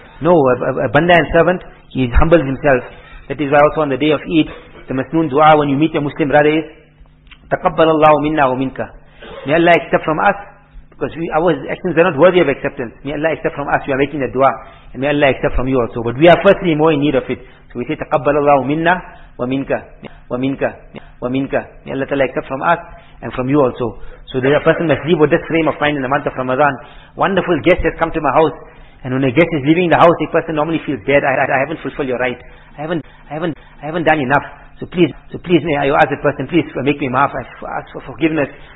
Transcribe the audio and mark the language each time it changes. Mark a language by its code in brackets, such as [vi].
[en] No, a banda and servant, he humbles himself. That is why also on the day of Eid, the masnoon dua when you meet your Muslim brother is, [ar] تَقَبَّلَ اللَّهُ مِنَّا وَمِنْكَ. [en] May Allah accept from us, because our actions are not worthy of acceptance. May Allah accept from us, we are making that dua, and may Allah accept from you also. But we are firstly more in need of it. We say [ar] تَقَبَّلَ اللَّهُ مِنَّا وَمِنْكَ. [en] May Allah Ta'ala accept from us and from you also. So a person must leave with this frame of mind in the month of Ramadan. Wonderful guest has come to my house, and when a guest is leaving the house, a person normally feels bad. I haven't fulfilled your right. I haven't done enough. So please may you ask the person, please make me maaf, I ask for forgiveness.